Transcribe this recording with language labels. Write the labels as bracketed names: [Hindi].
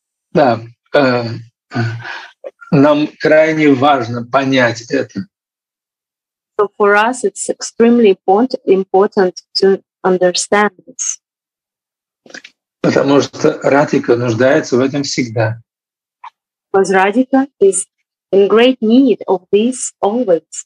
[Russian] Да, нам крайне важно понять это. [English] So for us it's extremely important to understand this. [Russian] Потому что Радика нуждается в этом всегда. [English] Because Radhika is in great need of this always.